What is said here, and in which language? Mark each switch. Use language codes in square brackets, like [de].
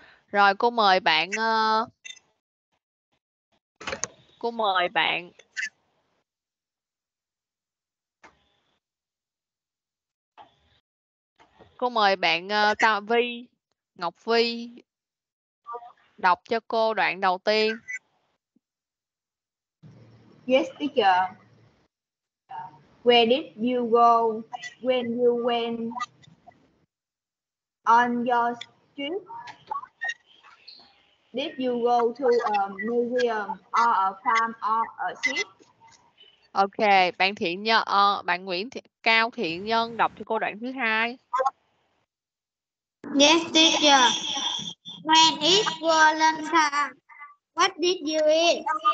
[vi] Rồi cô mời bạn cô mời bạn Tạ Vi Ngọc Vi đọc cho cô đoạn đầu tiên. [en] Yes, Where did you go when you went on your trip? Did you go to a museum or a farm [vi] Ok, bạn Thiện Nhân, bạn Nguyễn Thị, Cao Thiện Nhân đọc cho cô đoạn thứ hai. [en] When it was lunchtime, what did you eat?